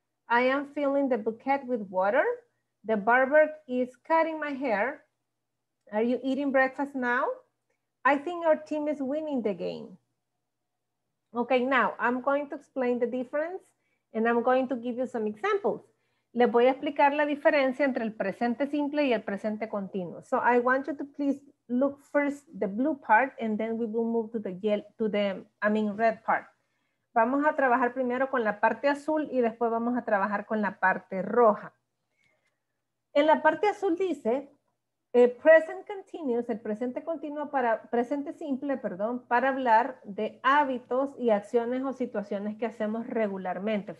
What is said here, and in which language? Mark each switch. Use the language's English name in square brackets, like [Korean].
[English] I am filling the bouquet with water. The barber is cutting my hair. Are you eating breakfast now? I think our team is winning the game. Okay, now I'm going to explain the difference and I'm going to give you some examples. [Spanish] Le voy a explicar la diferencia entre el presente simple y el presente continuo. [English] So I want you to please look first the blue part and then we will move to the red part. [Spanish] Vamos a trabajar primero con la parte azul y después vamos a trabajar con la parte roja. En la parte azul dice, present continuous, el presente continuo para, presente simple, perdón, para hablar de hábitos y acciones o situaciones que hacemos regularmente.